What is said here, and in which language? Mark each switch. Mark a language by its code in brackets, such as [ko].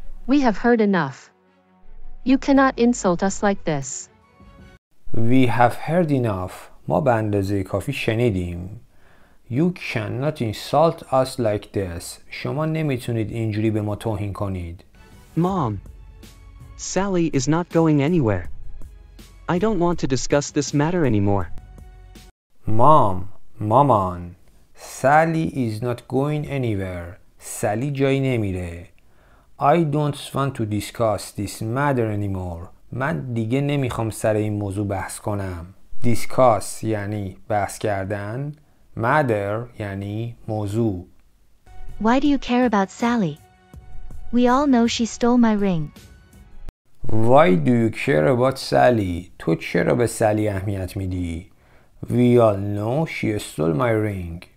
[en] We have heard enough. You cannot insult us like this. We have heard enough. [fa] ما به اندازه کافی شنیدیم. [en] You cannot insult us like this. [fa] شما نمیتونید اینجوری به ما توهین کنید. [en] Mom, Sally is not going anywhere. I don't want to discuss this matter anymore. Mom, Maman, Sally is not going anywhere. [fa] Sally جایی نمیره. [en] I don't want to discuss this matter anymore. [fa] من دیگه نمیخوام سر این موضوع بحث کنم. Discuss یعنی بحث کردن. Matter یعنی موضوع. [en] Why do you care about Sally? We all know she stole my ring. Why do you care about Sally? [fa] تو چرا به سالی اهمیت میدی؟ [en] We all know she stole my ring.